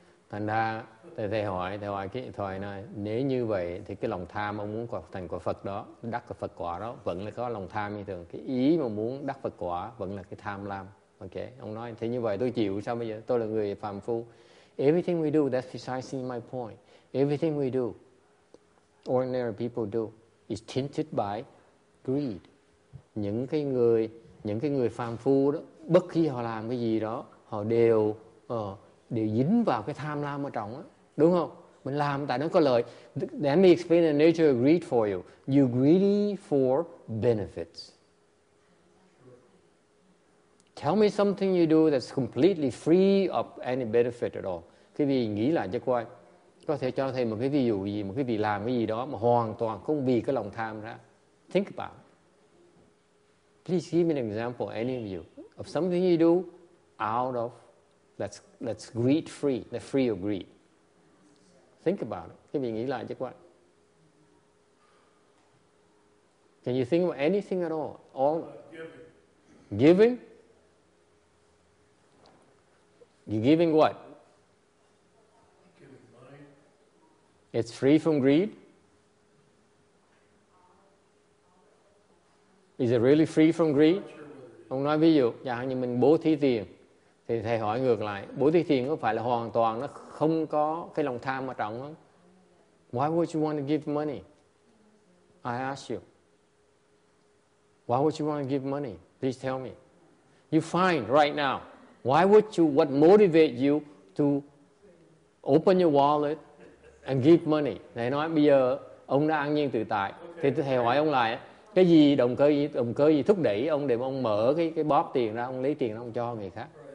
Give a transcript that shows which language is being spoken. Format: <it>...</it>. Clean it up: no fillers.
<vi>Thành ra thầy hỏi nói, nếu như vậy thì cái lòng tham ông muốn thành quả Phật đó, đắc cái Phật quả đó vẫn là có lòng tham như thường, cái ý mà muốn đắc Phật quả vẫn là cái tham lam. Ok, ông nói thế như vậy tôi chịu sao bây giờ, tôi là người phàm phu.</vi> <en>Everything we do, that's precisely my point. Everything we do, ordinary people do, is tainted by greed.</en> <vi>Những cái người phàm phu đó, bất kỳ họ làm cái gì đó, họ đều dính vào cái tham lam ở trong á, đúng không? Mình làm tại nó có lợi.</vi> <en>Let me explain the nature of greed for you. You greedy for benefits. Tell me something you do that's completely free of any benefit at all.</en> <vi>Quý vị nghĩ lại cho coi. Có thể cho thầy một cái ví dụ gì, một cái vị làm cái gì đó mà hoàn toàn không vì cái lòng tham ra.</vi> <en>Think about it. Please give me an example, any of you, of something you do out of That's greed free, the free of greed. Think about it.</en> <vi>Cái vị nghĩ lại chứ quá.</vi> <en>Can you think of anything at all? Giving? You're giving what? Giving money. It's free from greed? Is it really free from greed?</en> <vi>Ông nói ví dụ, dạ như mình bố thí tiền. Thì thầy hỏi ngược lại, Bố thí thiền có phải là hoàn toàn nó không có cái lòng tham ở trong không?</vi> <en>Why would you want to give money? I ask you. Why would you want to give money? Please tell me. You find right now. Why would you, what motivate you to open your wallet and give money?</en> <vi>Thầy nói bây giờ ông đã an nhiên tự tại. Okay. Thì thầy hỏi ông lại, cái gì động cơ gì thúc đẩy ông để mà ông mở cái bóp tiền ra, ông lấy tiền ra, ông cho người khác.</vi>